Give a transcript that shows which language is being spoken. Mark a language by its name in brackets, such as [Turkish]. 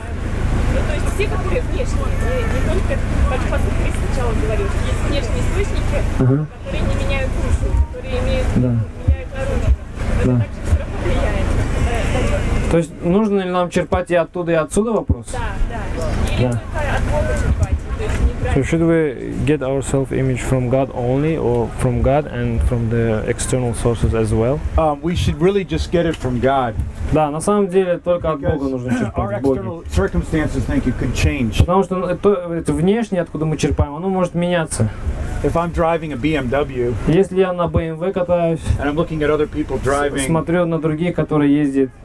[Russian] Ну, то есть все, которые внешние, не только, как пастор Крис сначала говорил, есть внешние источники, которые не меняют душу, которые имеют, да. Меняют оружие. Это да. Также все равно влияет. Да. То есть нужно ли нам черпать и оттуда, и отсюда вопрос? Да. Или только от Бога черпать. [English] So should we get our self-image from God only, or from God and from the external sources as well? We should really just get it from God. [Russian] Да, на самом деле только от Бога нужно черпать. [English] Because our external circumstances, thank you, could change. [Russian] Потому что это внешнее, откуда мы черпаем, оно может меняться. [English] If I'm driving a BMW, [Russian] если я на BMW катаюсь, [English] and I'm looking at other people driving, [Russian] смотрю на других, которые ездят